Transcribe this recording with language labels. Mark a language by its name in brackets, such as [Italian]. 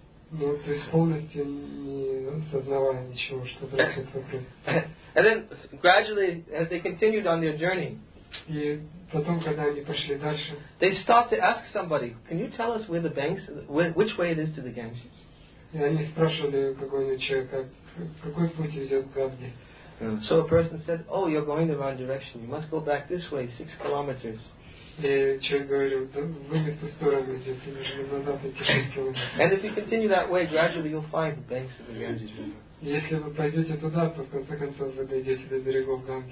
[Russian] Ну, то есть полностью не осознавая ничего, что происходит вокруг. [English] And then gradually, as they continued on their journey, [Russian] и потом, когда они пошли дальше, [English] they stopped to ask somebody, "Can you tell us where the banks, which way it is to the Ganges?" [Russian] И они спрашивали какого-нибудь человека, какой путь ведет к Ганге. [English] So a person said, "Oh, you're going the wrong direction. You must go back this way, 6 kilometers." And if you continue that way, gradually you'll find the banks of the Ganges River.